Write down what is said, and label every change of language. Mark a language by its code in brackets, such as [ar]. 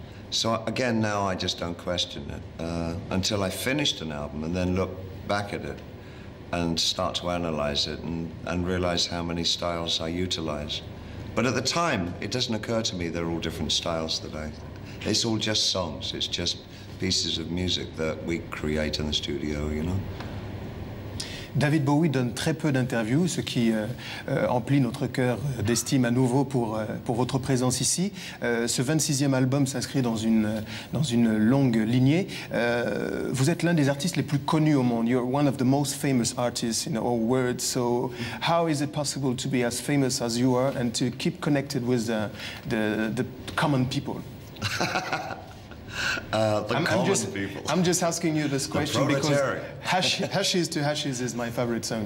[en] So again, now I just don't question it until I finished an album and then look back at it and start to analyze it and realize how many styles I utilize. But at the time, it doesn't occur to me they're all different styles that I... It's all just songs. It's just pieces of music that we create in the studio, you know. [fr] David Bowie donne très peu d'interviews, ce qui emplit notre cœur d'estime à nouveau pour votre présence ici. Ce 26e album s'inscrit dans une longue lignée. Vous êtes l'un des artistes les plus connus au monde. [en] You're one of the most famous artists in the whole world. So how is it possible to be as famous as you are and to keep connected with the common people? I'm just asking you this question because Hashes to Hashes is my favorite song.